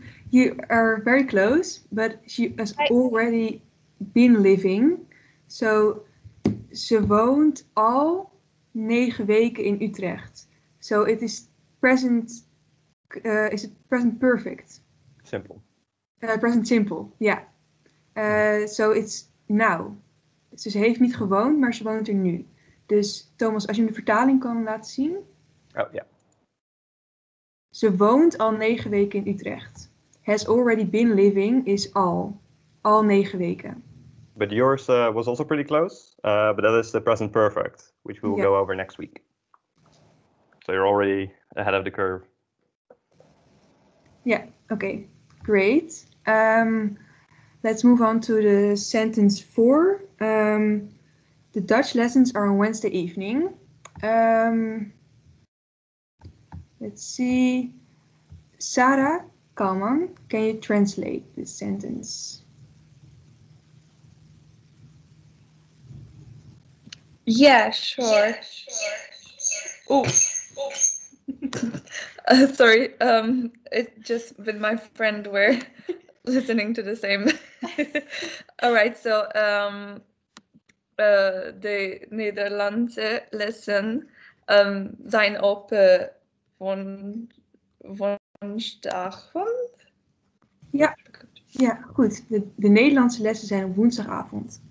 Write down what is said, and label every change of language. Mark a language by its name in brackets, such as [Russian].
[English] You are very close, but she has already been living. [Dutch] So ze woont al 9 weken in Utrecht. [English] So it is present, is it present perfect? [Dutch] Simpel. [English] Present simple, ja. Yeah. So it's now. [Dutch] Dus ze heeft niet gewoond, maar ze woont er nu. Dus Thomas, als je me de vertaling kan laten zien. Oh ja. Ze woont al 9 weken in Utrecht. [English] Has already been living [Dutch] is al. Al 9 weken. [English] But yours was also pretty close, but that is the present perfect, which we will [Dutch] Ja. [English] go over next week. So you're already ahead of the curve. [Dutch] Ja, oké. [English] Great. Let's move on to the sentence four. The Dutch lessons are on Wednesday evening. Let's see. Sarah Kalman, can you translate this sentence? Yeah, sure. Yeah, sure. Sorry. It just with my friend we're listening to the same. All right, so the Nederlandse lesson [Dutch] zijn op woensdagavond. Ja, goed. De Nederlandse lessen zijn woensdagavond.